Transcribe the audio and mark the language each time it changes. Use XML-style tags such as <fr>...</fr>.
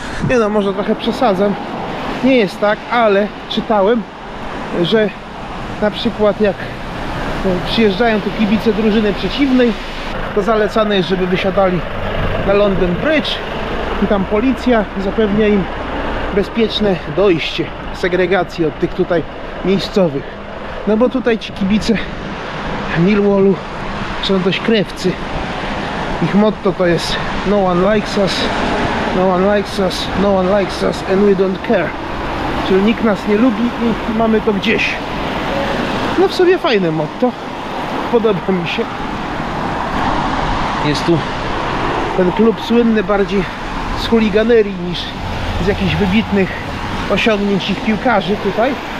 <pl>Nie no, może trochę przesadzam. Nie jest tak, ale czytałem, że na przykład jak przyjeżdżają tu kibice drużyny przeciwnej, to zalecane jest, żeby wysiadali na London Bridge i tam policja zapewnia im bezpieczne dojście, segregacji od tych tutaj miejscowych. No bo tutaj ci kibice Millwallu są dość krewcy. Ich motto to jest</pl> <en>no one likes us, no one likes us, no one likes us and we don't care.</en> <pl>Czyli nikt nas nie lubi i mamy to gdzieś. No w sobie fajne motto. Podoba mi się. Jest tu ten klub słynny bardziej z chuliganerii niż z jakichś wybitnych osiągnięć ich piłkarzy tutaj.</pl>